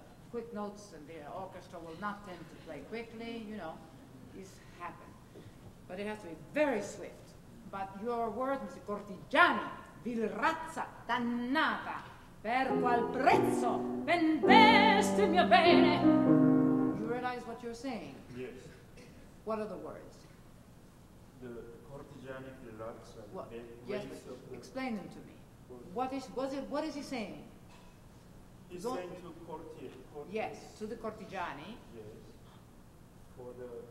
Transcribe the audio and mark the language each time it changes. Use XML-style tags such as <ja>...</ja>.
<en>Quick notes, and the orchestra will not tend to play quickly, you know, this happened. But it has to be very swift. But your word, Mr.</en> <it>Cortigiani, vil razza dannata, per qual prezzo vendeste mio bene.</it> <en>You realize what you're saying? Yes. What are the words?</en> <it>The Cortigiani vil razza.</it> <en>Well, yes, explain them to me. What is he saying? He's saying to courtier. Yes, to the cortigiani. Yes. For the...</en>